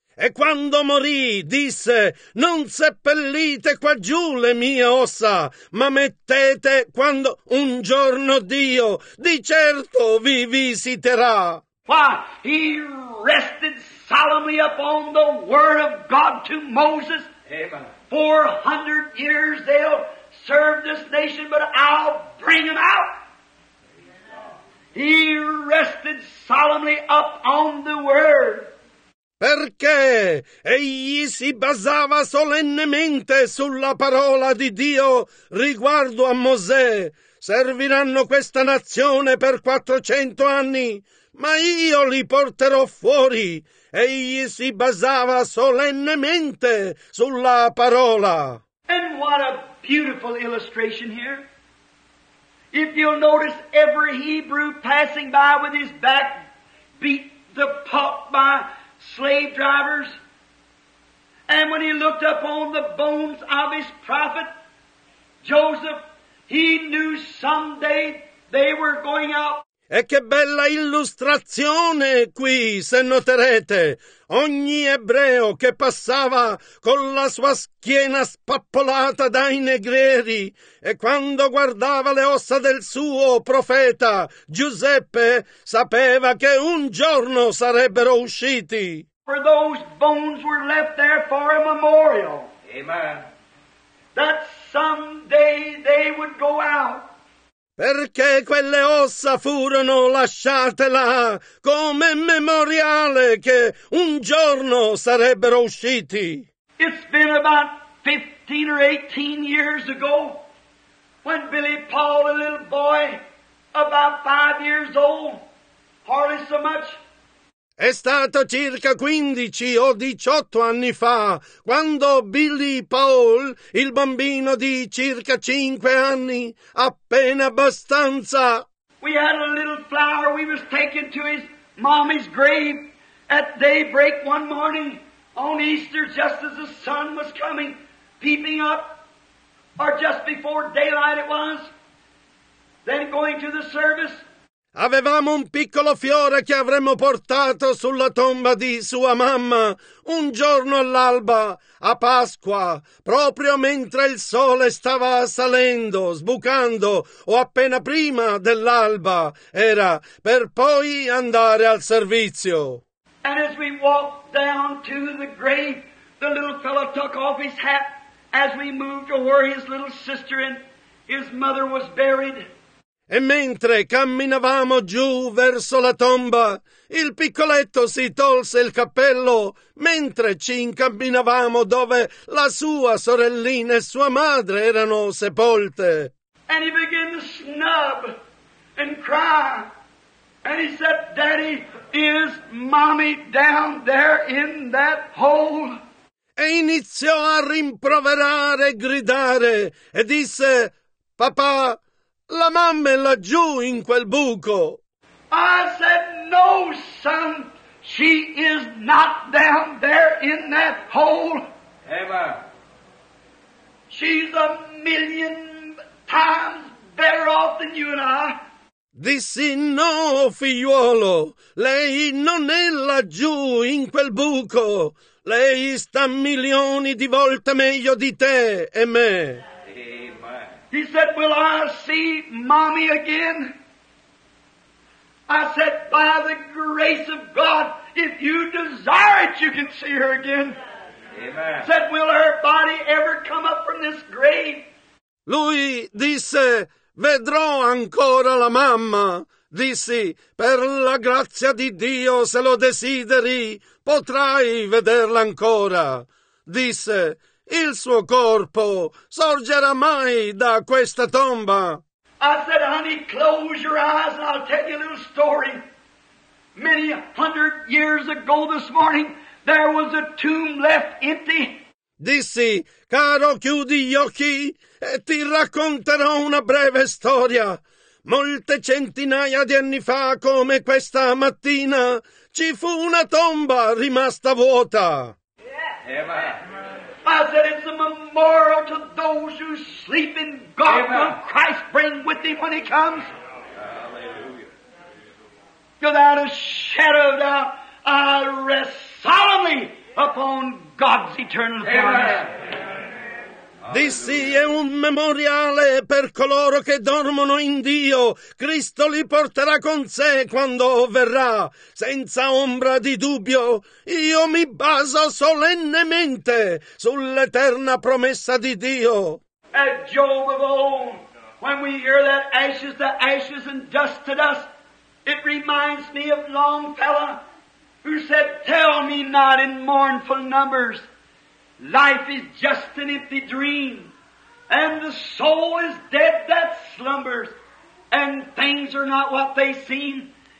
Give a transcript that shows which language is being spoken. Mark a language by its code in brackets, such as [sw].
[it] E quando morì, disse: non seppellite qua giù le mie ossa, ma mettete quando un giorno Dio di certo vi visiterà. [en] Why, he rested solemnly upon the word of God to Moses. Amen. 400 years they'll serve this nation, but I'll bring them out. He rested solemnly up on the word. [it] Perché egli si basava solennemente sulla parola di Dio riguardo a Mosè. Serviranno questa nazione per 400 anni, ma io li porterò fuori. Egli si basava solennemente sulla parola. [en] And what a beautiful illustration here. If you'll notice every Hebrew passing by with his back beat the pulp by slave drivers, and when he looked up on the bones of his prophet Joseph, he knew someday they were going out. [it] E che bella illustrazione qui, se noterete. Ogni ebreo che passava con la sua schiena spappolata dai negrieri e quando guardava le ossa del suo profeta Giuseppe sapeva che un giorno sarebbero usciti. [en] For those bones were left there for a memorial. Amen. That someday they would go out. [it] Perché quelle ossa furono lasciate là come memoriale che un giorno sarebbero usciti. [en] It's been about 15 or 18 years ago when Billy Paul, a little boy, about 5 years old, hardly so much. [it] È stato circa 15 o 18 anni fa, quando Billy Paul, il bambino di circa 5 anni, appena abbastanza. [en] We had a little flower we was taking to his mommy's grave at daybreak one morning on Easter, just as the sun was coming, peeping up, or just before daylight it was, then going to the service. [it] Avevamo un piccolo fiore che avremmo portato sulla tomba di sua mamma un giorno all'alba, a Pasqua, proprio mentre il sole stava salendo, sbucando, o appena prima dell'alba, era per poi andare al servizio. [en] And as we walked down to the grave, the little fellow took off his hat as we moved to where his little sister and his mother was buried. [it] E mentre camminavamo giù verso la tomba, il piccoletto si tolse il cappello mentre ci incamminavamo dove la sua sorellina e sua madre erano sepolte. [en] And he began to snub and cry. And he said, "Daddy, is mommy down there in that hole?" [it] E iniziò a rimproverare e gridare e disse, "Papà, la mamma è laggiù in quel buco." [en] I said, "No, son, she is not down there in that hole. Ever. She's a million times better off than you and I." [it] Dissi, "No, figliuolo, lei non è laggiù in quel buco. Lei sta milioni di volte meglio di te e me." [en] He said, "Will I see mommy again?" I said, "By the grace of God, if you desire it, you can see her again." Amen. Said, "Will her body ever come up from this grave?" [it] Lui disse, "Vedrò ancora la mamma." Dissi, "Per la grazia di Dio, se lo desideri, potrai vederla ancora." Disse, "Il suo corpo sorgerà mai da questa tomba?" [en] I said, "Honey, close your eyes and I'll tell you a little story. Many hundred years ago this morning, there was a tomb left empty." [it] Dissi, "Caro, chiudi gli occhi e ti racconterò una breve storia. Molte centinaia di anni fa, come questa mattina, ci fu una tomba rimasta vuota." [en] Yeah. I said, "It's a memorial to those who sleep in God when Christ bring with him when he comes. Hallelujah. Without a shadow of doubt, I rest solemnly upon God's eternal promise." Amen. [it] Dissi, è un memoriale per coloro che dormono in Dio. Cristo li porterà con sé quando verrà. Senza ombra di dubbio, io mi baso solennemente sull'eterna promessa di Dio. [en] At Job of old, when we hear that ashes to ashes and dust to dust, it reminds me of Longfellow, who said, tell me not in mournful numbers. Life is just an empty dream, and the soul is dead that slumbers, and things are not what they seem.